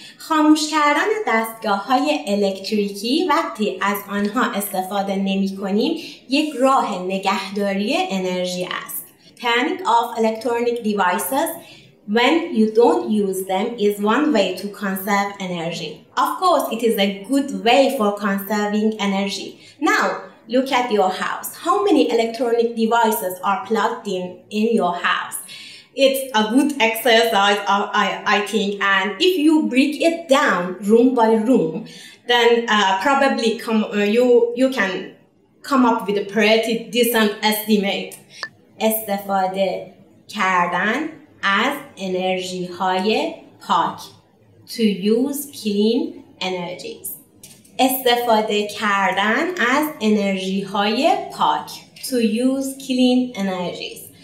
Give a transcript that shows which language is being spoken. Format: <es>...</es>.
<fa>خاموش کردن دستگاه های الکتریکی وقتی از آنها استفاده نمی کنیم یک راه نگهداری انرژی است.</fa> <en>Turning off electronic devices when you don't use them is one way to conserve energy. Of course, it is a good way for conserving energy. Now, look at your house. How many electronic devices are plugged in your house? It's a good exercise, I think. And if you break it down room by room, then probably you can come up with a pretty decent estimate.</en> <fa>استفاده کردن از انرژی های پاک.</fa> <en>To use clean energies.</en> <fa>استفاده کردن از انرژی های پاک.</fa> <en>To use clean energies.</en>